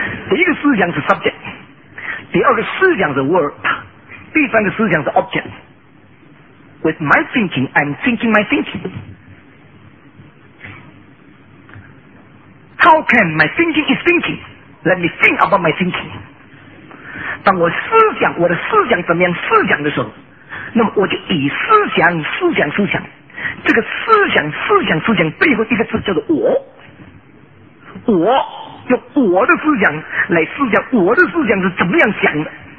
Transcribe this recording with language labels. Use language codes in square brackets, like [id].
[zh] 第一个思想是 subject， 第二个思想是 word， 第三个思想是 object。 [en] With my thinking, I'm thinking my thinking. How can my thinking is thinking? Let me think about my thinking. [zh] 当我思想，我的思想怎么样思想的时候，那么我就以思想思想思想，这个思想思想思想背后一个字叫做我。我用我的思想来思想，我的思想是怎么样想的。